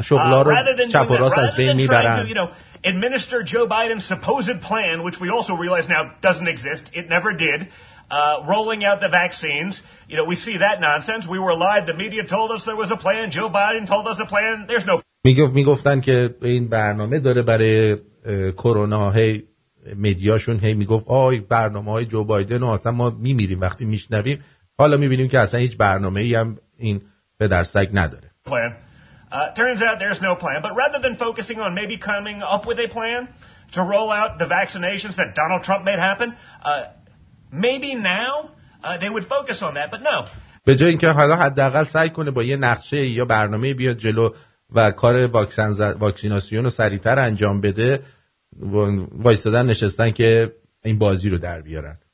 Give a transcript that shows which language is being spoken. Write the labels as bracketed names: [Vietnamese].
[Persian] شغلا رو چپ و راست از بین میبرن. [English] To, you know, administer Joe Biden's supposed plan, which we also realize now doesn't exist. It never did. Rolling out the vaccines. You know, we see that nonsense. We were lied. The media told us there was a plan. Joe Biden told us a plan. There's no. [Persian] میگفتن که این برنامه داره برای کرونا. هی مدیاشون هی میگفت آی برنامه های جو بایدن و اصلا ما میمیریم وقتی میشنویم. حالا میبینیم که اصلا هیچ برنامه ای هم این به درسک نداره. [English] Plan. Turns out there's no plan. But rather than focusing on maybe coming up with a plan to roll out the vaccinations that Donald Trump made happen, maybe now they would focus on that. But no. [Persian] به جای اینکه حالا حداقل سعی کنه با یه نقشه یا برنامه بیاد جلو و کار واکسیناسیون رو سریعتر انجام بده، وایستادن نشستن که این بازی رو در بیارن.